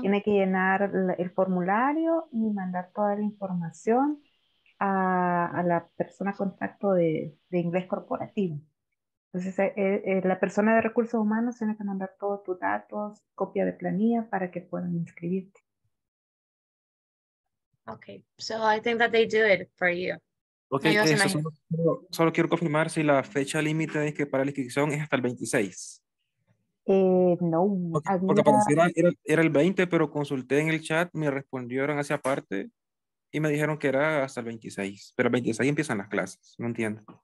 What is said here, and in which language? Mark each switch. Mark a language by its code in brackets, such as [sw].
[es] Tiene que llenar el formulario y mandar toda la información a la persona contacto de inglés corporativo. Entonces, la persona de recursos humanos tiene que mandar todos tus datos, copia de planilla para que puedan inscribirte. [en] Okay, so I think that they do it for you. [es] Okay, eso solo quiero confirmar si la fecha límite es que para la inscripción es hasta el 26. No. Porque era el 20, pero consulté en el chat, me respondieron hacia aparte y me dijeron que era hasta el 26. Pero el 26 empiezan las clases, no entiendo.